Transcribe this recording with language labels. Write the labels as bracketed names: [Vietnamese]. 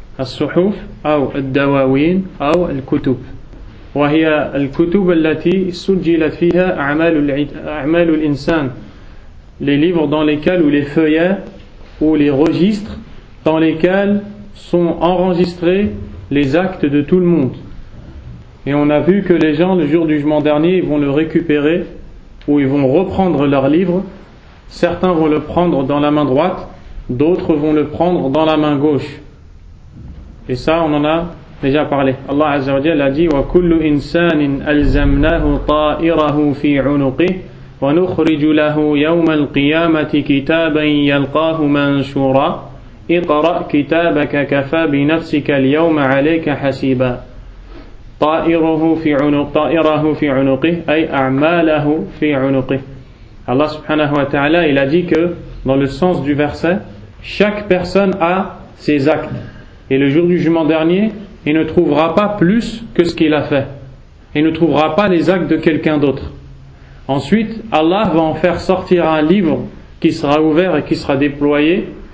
[French] Al-Suhuf, ou Al-Dawawin, ou Al-Kutub. [Arabic] وهي الكتب التي سجلت فيها أعمال الإنسان, [French] les livres dans lesquels, ou les feuillets ou les registres dans lesquels sont enregistrés les actes de tout le monde. Et on a vu que les gens, le jour du jugement dernier, ils vont le récupérer ou ils vont reprendre leur livre. Certains vont le prendre dans la main droite, d'autres vont le prendre dans la main gauche. Et ça, on en a déjà parlé. [Arabic] Allah Azza wa Jalla a dit: وكل إنسان ألزمناه طائره في عنقه ونخرج له يوم القيامة كتابا يلقاه منشورا اقرأ كتابك كفى بنفسك اليوم عليك حسيبا. طائره في عنقه, أي أعماله في عنقه. [French] Allah subhanahu wa ta'ala, il a dit que dans le sens du verset, chaque personne a ses actes, et le jour du jugement dernier, il ne trouvera pas plus que ce qu'il a fait. Il ne trouvera pas les actes de quelqu'un d'autre. Ensuite, Allah va en faire sortir un livre qui sera ouvert et qui sera déployé.